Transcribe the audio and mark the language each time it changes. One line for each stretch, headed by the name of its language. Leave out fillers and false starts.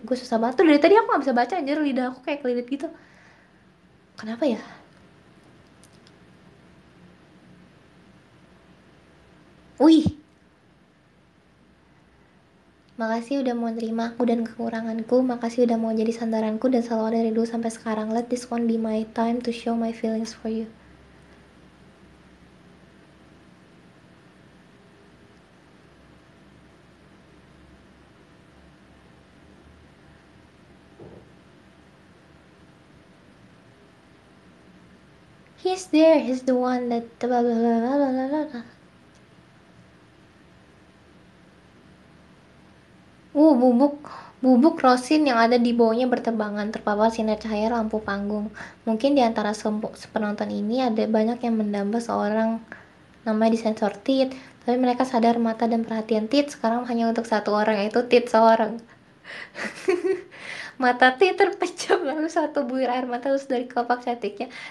Indonesian: Gue susah banget. Tuh, dari tadi aku gak bisa baca, anjir, lidah aku kayak kelilit gitu. Kenapa ya? Wih. Makasih udah mau nerima aku dan kekuranganku. Makasih udah mau jadi sandaranku dan selalu ada dari dulu sampai sekarang.
English: Let this one be my time to show my feelings for you. He's there. He's the one that blah blah blah blah blah blah blah.
Indonesian: Bubuk rosin yang ada di bawahnya berterbangan, terpapar sinar cahaya lampu panggung. Mungkin di antara penonton ini ada banyak yang mendamba seorang namanya disensor Tit, tapi mereka sadar mata dan perhatian Tit sekarang hanya untuk satu orang, yaitu Tit seorang. Mata Tit terpejam, lalu satu buir air mata terus dari kelopak cantiknya.